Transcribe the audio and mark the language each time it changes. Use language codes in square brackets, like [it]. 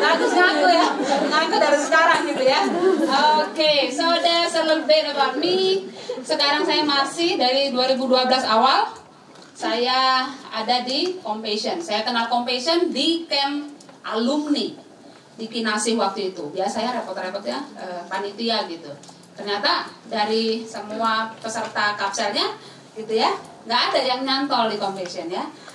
[id] Ngaku ya, ngaku dari sekarang gitu ya. [en] Okay, so that's a little bit about me. [id] Sekarang saya masih dari 2012 awal. Saya ada di Compassion. Saya kenal Compassion di camp alumni di Kinasih waktu itu. Biasanya repot-repot ya, panitia gitu. Ternyata dari semua peserta kapselnya gitu ya, gak ada yang nyantol di Compassion ya.